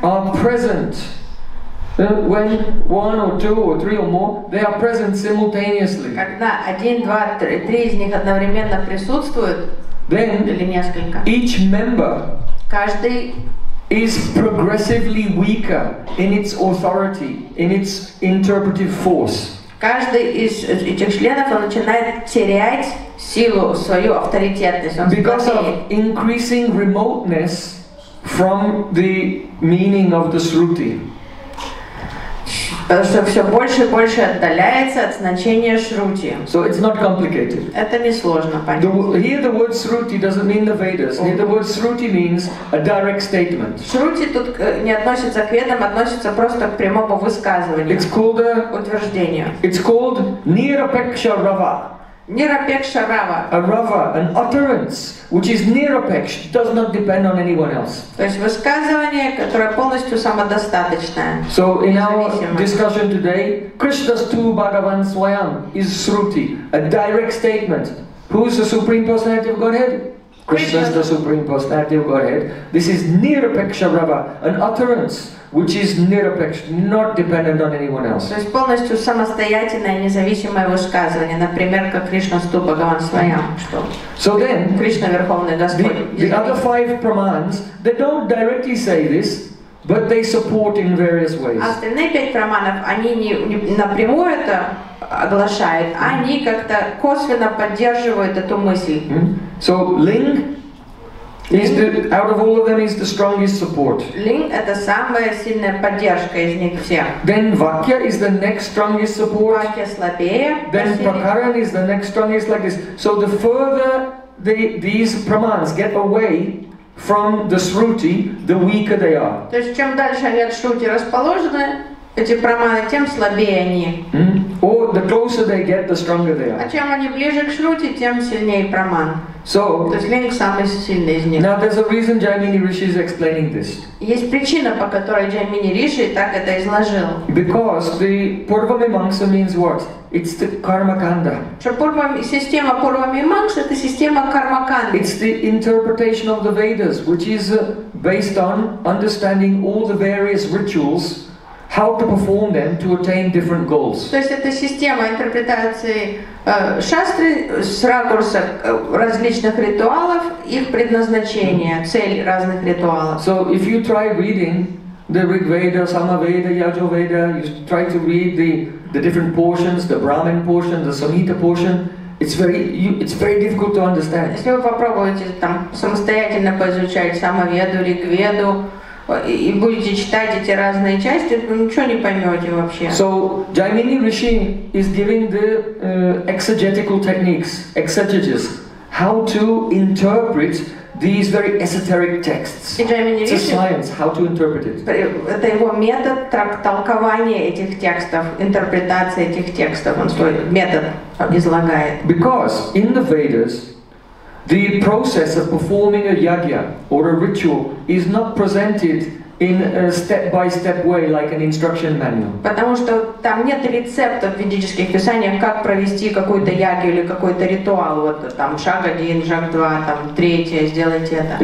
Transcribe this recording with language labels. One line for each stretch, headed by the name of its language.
English: are present, when one or two or three or more, they are present simultaneously.
Russian: Когда один, два, три из них одновременно присутствуют,
English: then
Russian: или несколько,
English: each member
Russian: каждый
English: is progressively weaker in its authority, in its interpretive force.
Russian: Каждый из этих членов начинает терять силу, свою авторитетность.
English: Because of increasing remoteness from the meaning of the shruti.
Russian: Потому что все больше и больше отдаляется от значения шрути.
English: So it's not complicated.
Russian: Это несложно понять.
English: Here the word shruti doesn't mean the Vedas. Here the word shruti means a direct statement.
Russian: Шрути тут не относится к ведам, относится просто к прямому высказыванию.
English: It's called a
Russian: утверждение.
English: It's called nirapeksha rava.
Sanskrit: Nirapeksha rava.
English: A rava, an utterance which is nirapeksha, does not depend on anyone else.
Russian: То есть высказывание, которое полностью самодостаточное.
English: So in our discussion today,
Sanskrit: Krishna's two Bhagavan Swayam
English: is Shruti, a direct statement. Who's the Supreme Personality of Godhead? Krishna's the Supreme Personality of Godhead. This is nirapeksha rava, an utterance which is nirapeksha, not dependent on anyone else.
Russian: То есть полностью самостоятельное, независимое высказывание, например, как
Sanskrit: Кришна ступа Гаван Сваям,
Russian: что
English: so then,
Russian: Кришна Верховный Господь.
English: The other five Pramans, they don't directly say this, but they support in various ways.
Russian: Остальные пять Праманов, они не напрямую это оглашают, они как-то косвенно поддерживают эту мысль.
English: So Ling, is the, out of all of them, is the strongest support.
Russian: Ling – это самая сильная поддержка из них всех.
English: Then Vakya is the next strongest support.
Russian: Vakya слабее.
English: Then Prakaran is the next strongest, like this. So the further these Pramans get away from the Shruti, the weaker they are.
Russian: То есть чем дальше они от Shruti расположены, эти Праманы, тем слабее они.
English: Or the closer they get, the stronger they are.
Russian: А чем они ближе к Шрути, тем сильнее Браман.
English: So,
Russian: то есть линк самый сильный из них.
English: Now there's a reason Jaimini Rishi is explaining this.
Russian: Есть причина, по которой Jaimini Rishi так это изложил.
English: Because the Purva Mimamsa means what? It's the Karma Kanda.
Russian: Что Purva система Purva Mimamsa это система Karma Kanda.
English: It's the interpretation of the Vedas, which is based on understanding all the various rituals. How to perform them to attain different goals.
Russian: То есть это система интерпретации шастры с ракурса различных ритуалов, их предназначения, цель разных ритуалов.
English: So if you try reading the Rig Veda, Sama Veda, Yajur Veda, you try to read the different portions, the Brahmin portion, the Samhita portion, it's very difficult to understand.
Russian: Если вы попробуете там самостоятельно поизучать Самаведу, Риг Веду, и будете читать эти разные части, вы ничего не поймете вообще.
English: So Jaimini Rishi is giving the exegetical techniques, exegesis, how to interpret these very esoteric texts. It's a science, how to interpret it.
Russian: Это его метод толкования этих текстов, интерпретации этих текстов. Он свой метод излагает.
English: Because in the Vedas, the process of performing a yajna or a ritual is not presented in a step-by-step way like an instruction manual.
Russian: Потому что там нет рецепта в ведических писаниях, как провести какую-то яги или какой-то ритуал. Вот там шаг один, шаг два, там третье, сделайте это.